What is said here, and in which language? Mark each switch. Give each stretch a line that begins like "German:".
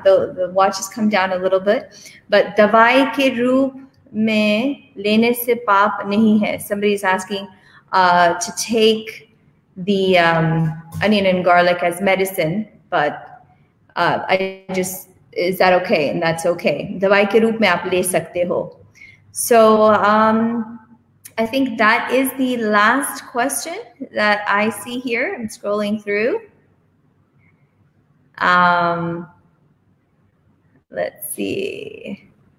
English: The watch has come down a little bit.
Hindi: But dawai ke roop mein lene se paap nahi hai.
English: Somebody's asking to take the onion and garlic as medicine, but is that okay? And that's okay.
Hindi: दवाई के रूप में आप ले सकते हो.
English: So I think that is the last question that I see here. I'm scrolling through. Let's see.